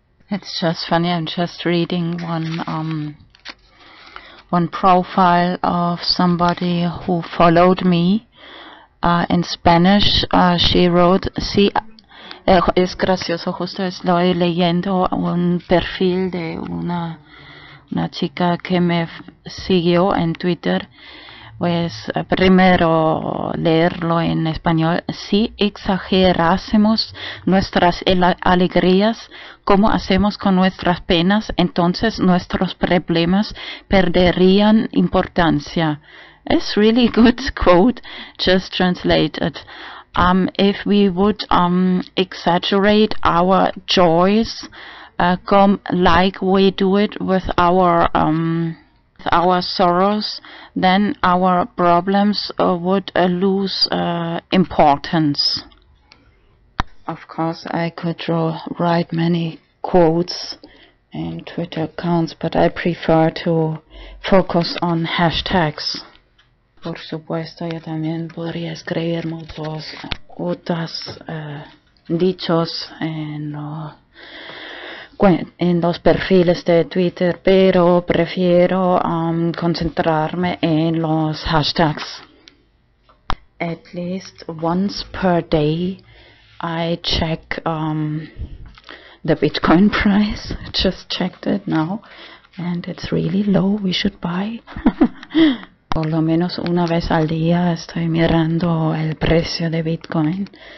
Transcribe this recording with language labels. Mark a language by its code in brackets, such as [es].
[en] It's just funny, I'm just reading one profile of somebody who followed me. In Spanish, she wrote, [es] sí, es gracioso, justo estoy leyendo un perfil de una chica que me siguió en Twitter. Pues primero leerlo en español. Si exagerásemos nuestras alegrías, ¿cómo hacemos con nuestras penas? Entonces nuestros problemas perderían importancia. [en] It's really good quote, just translated. If we would exaggerate our joys, come like we do it with our sorrows, then our problems would lose importance. Of course, I could write many quotes and Twitter accounts, but I prefer to focus on hashtags. [es] Por supuesto, yo también podría escribir muchos otros dichos en los perfiles de Twitter, pero prefiero concentrarme en los hashtags. [en] At least once per day, I check the Bitcoin price. I just checked it now, and it's really low. We should buy. [es] Por lo menos una vez al día estoy mirando el precio de Bitcoin.